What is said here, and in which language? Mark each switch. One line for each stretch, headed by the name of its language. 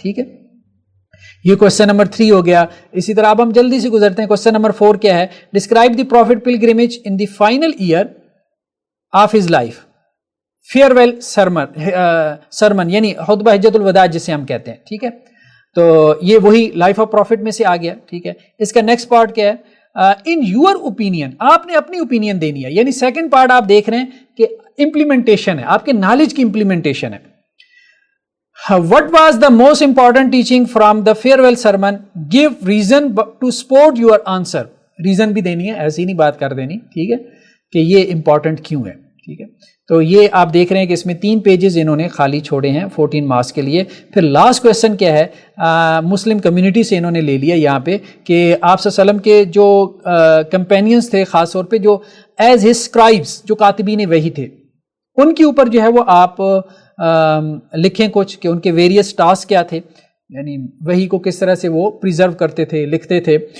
Urdu: ٹھیک ہے, یہ کوشچن نمبر 3 ہو گیا. اسی طرح اب ہم جلدی سے گزرتے ہیں کوشچن نمبر 4 کیا ہے,
English: describe the prophet pilgrimage in the final year of his life,
Urdu: fair well sermon یعنی خطبہ حجت الوداع جسے ہم کہتے ہیں. ٹھیک ہے, تو یہ وہی لائف آف پروفٹ میں سے آ گیا. ٹھیک ہے, اس کا نیکسٹ پارٹ کیا ہے,
English: in your opinion,
Urdu: آپ نے اپنی اوپینین دینی ہے, یعنی سیکنڈ پارٹ آپ دیکھ رہے ہیں کہ امپلیمنٹیشن ہے, آپ کے نالج کی امپلیمنٹیشن ہے.
English: What was the most important teaching from the farewell sermon? Give reason to support your answer.
Urdu: Reason بھی دینی ہے, ایسی نہیں بات کر دینی. ٹھیک ہے, کہ یہ امپورٹنٹ کیوں ہے. ٹھیک ہے, تو یہ آپ دیکھ رہے ہیں کہ اس میں 3 پیجز انہوں نے خالی چھوڑے ہیں 14 مارکس کے لیے. پھر لاسٹ کوشچن کیا ہے, مسلم کمیونٹی سے انہوں نے لے لیا یہاں پہ کہ آپ صلی اللہ علیہ وسلم کے جو کمپینینس تھے, خاص طور پہ جو
English: as his scribes
Urdu: جو کاتبین وحی تھے, ان کے اوپر جو ہے وہ آپ لکھیں کچھ کہ ان کے ویریس ٹاسک کیا تھے, یعنی وحی کو کس طرح سے وہ پریزرو کرتے تھے, لکھتے تھے.